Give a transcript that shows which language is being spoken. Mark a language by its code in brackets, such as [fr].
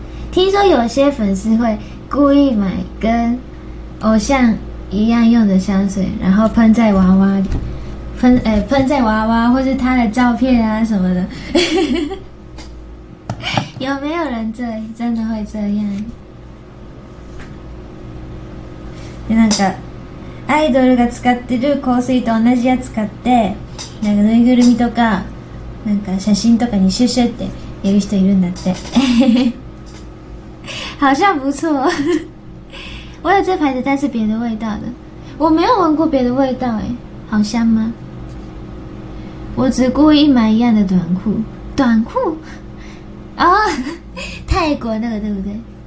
[zh] 听说有些粉丝会故意买跟偶像一样用的香水，然后喷在娃娃里。喷在娃娃或是他的照片啊什么的。有没有人真的会这样？那个 [ja] アイドルが使ってる香水と同じやつ買って、なんかぬいぐるみとかなんか写真とかにシュシュってやる人いるんだって。 [zh] 好像不错。我有这牌子，但是别的味道的，我没有闻过别的味道哎，好香吗？我只故意买一样的短裤，短裤啊、哦，泰国那个对不对？